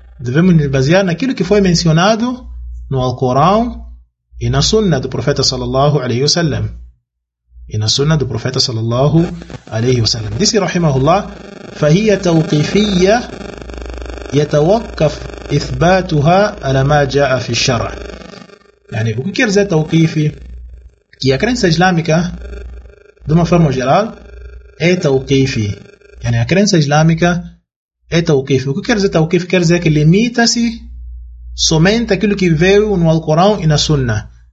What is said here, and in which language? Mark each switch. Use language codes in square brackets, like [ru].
[pt] Devemos nos basear naquilo que foi mencionado no Alcorão e na sunna do profeta sallallahu alaihi wasallam. Disse rahimahullah, [ar] فهي توقيفية يتوقف إثباتها على ما جاء في الشرع. [pt] Yani, o que quer dizer توقيفي? Que a crença islâmica, de uma forma geral, é توقيفي. Yani, a crença islâmica é توقيفي. O que quer dizer توقيفي? Quer dizer que limita-se somente aquilo que veio no Alcorão e na Sunna.